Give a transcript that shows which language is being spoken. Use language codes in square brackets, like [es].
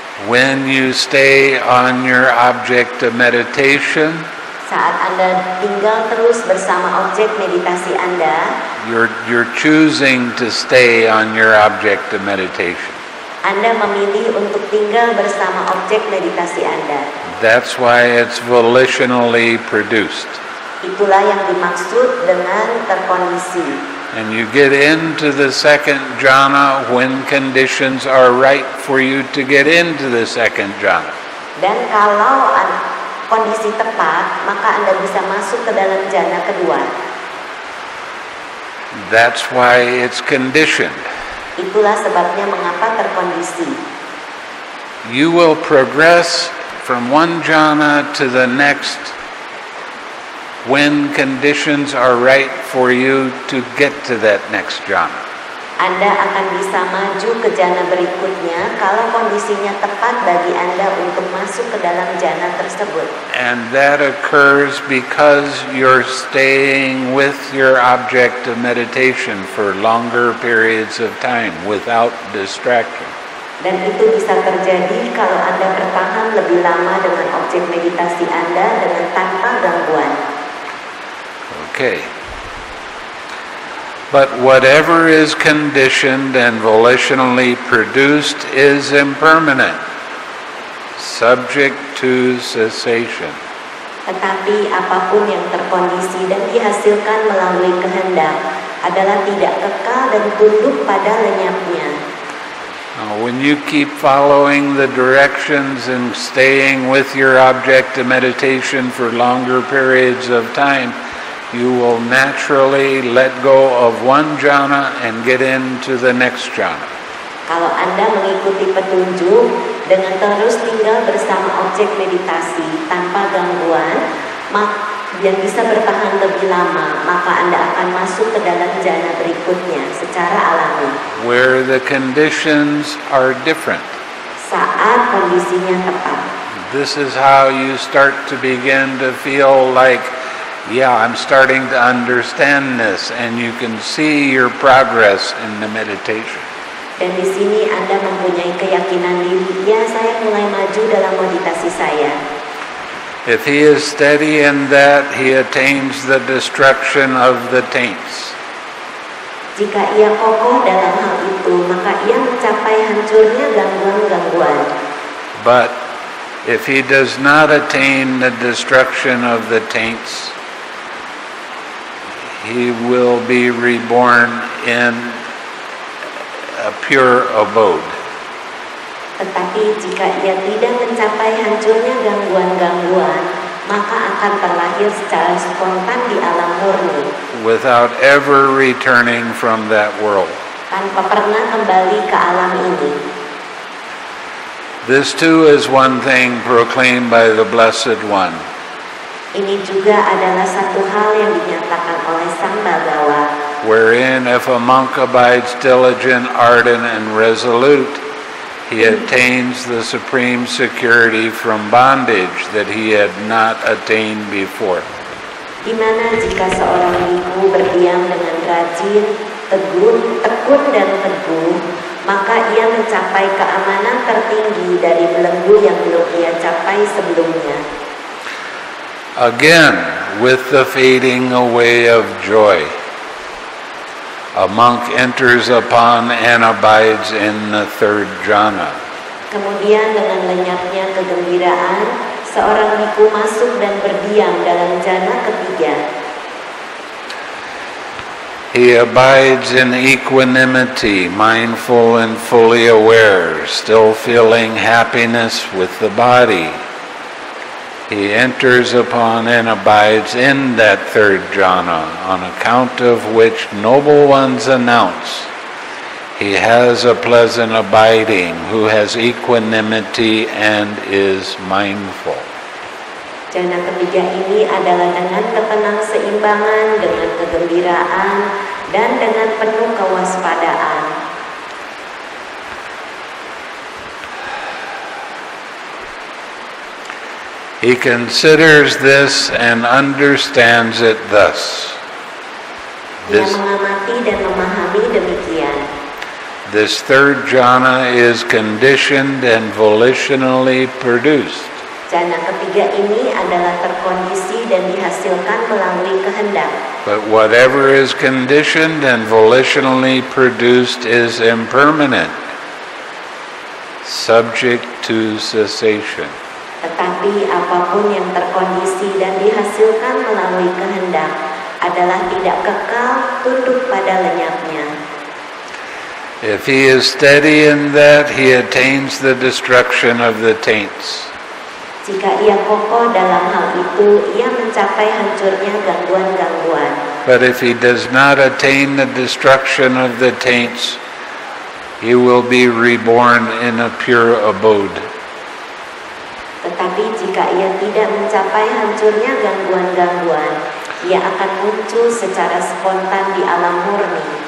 [en] When you stay on your object of meditation, [id] saat Anda tinggal terus bersama objek meditasi Anda, [en] you're choosing to stay on your object of meditation. [id] Anda memilih untuk tinggal bersama objek meditasi Anda. [en] That's why it's volitionally produced. [id] Itulah yang dimaksud dengan terkondisi. [en] And you get into the second jhana when conditions are right for you to get into the second jhana. [id] Dan kalau kondisi tepat, maka Anda bisa masuk ke dalam jhana kedua. [en] That's why it's conditioned. [id] Itulah sebabnya mengapa terkondisi. [en] You will progress from one jhana to the next when conditions are right for you to get to that next jhana. [id] Anda akan bisa maju ke jhana berikutnya kalau kondisinya tepat bagi Anda untuk masuk ke dalam jhana tersebut. [en] And that occurs because you're staying with your object of meditation for longer periods of time without distraction. [id] Dan itu bisa terjadi kalau Anda bertahan lebih lama dengan objek meditasi Anda dengan tanpa gangguan. [en] Okay. But whatever is conditioned and volitionally produced is impermanent, subject to cessation. [id] Tetapi apapun yang terkondisi dan dihasilkan melalui kehendak adalah tidak kekal dan tunduk pada lenyapnya. [en] Now, when you keep following the directions and staying with your object of meditation for longer periods of time, you will naturally let go of one jhana and get into the next jhana. [id] Kalau Anda mengikuti petunjuk dengan terus tinggal bersama objek meditasi tanpa gangguan, yang bisa bertahan lebih lama, maka Anda akan masuk ke dalam jhana berikutnya secara alami. [en] Where the conditions are different. [id] Saat kondisinya tepat. [en] This is how you start to begin to feel like, yeah, I'm starting to understand this, and you can see your progress in the meditation. [id] Dan di sini Anda mempunyai keyakinan diri, ya, saya mulai maju dalam meditasi saya. [en] If he is steady in that, he attains the destruction of the taints. [id] Jika ia kokoh dalam hal itu, maka ia mencapai hancurnya gangguan-gangguan. [en] But if he does not attain the destruction of the taints, he will be reborn in a pure abode. [id] Tetapi jika ia tidak mencapai hancurnya gangguan-gangguan, maka akan terlahir secara spontan di alam murni. [en] Without ever returning from that world. [id] Tanpa pernah kembali ke alam ini. [en] This too is one thing proclaimed by the Blessed One. [id] Ini juga adalah satu hal yang dinyatakan oleh Sang Bhagawa. [en] Wherein if a monk abides diligent, ardent, and resolute, he attains the supreme security from bondage that he had not attained before. [id] Di mana jika seorang bhikkhu berdiam dengan rajin, tekun dan teguh, maka ia mencapai keamanan tertinggi dari belenggu yang belum ia capai sebelumnya. [en] Again, with the fading away of joy, a monk enters upon and abides in the third jhana. [id] Kemudian dengan lenyapnya kegembiraan, seorang bhikkhu masuk dan berdiam dalam jhana ketiga. [en] He abides in equanimity, mindful and fully aware, still feeling happiness with the body. He enters upon and abides in that third jhana, on account of which noble ones announce, he has a pleasant abiding, who has equanimity and is mindful. [id] Jhana ketiga ini adalah dengan ketenang seimbangan, dengan kegembiraan, dan dengan penuh kewaspadaan. [en] He considers this and understands it thus. [id] This, dia mengamati dan memahami demikian. [en] This third jhana is conditioned and volitionally produced. [id] Jhana ketiga ini adalah terkondisi dan dihasilkan melalui kehendak. [en] But whatever is conditioned and volitionally produced is impermanent, subject to cessation. [id] Tetapi apapun yang terkondisi dan dihasilkan melalui kehendak adalah tidak kekal, tunduk pada lenyapnya. [en] If he is steady in that, he attains the destruction of the taints. [id] Jika ia kokoh dalam hal itu, ia mencapai hancurnya gangguan-gangguan. [en] But if he does not attain the destruction of the taints, he will be reborn in a pure abode. [id] Tetapi jika ia tidak mencapai hancurnya gangguan-gangguan, ia akan muncul secara spontan di alam murni.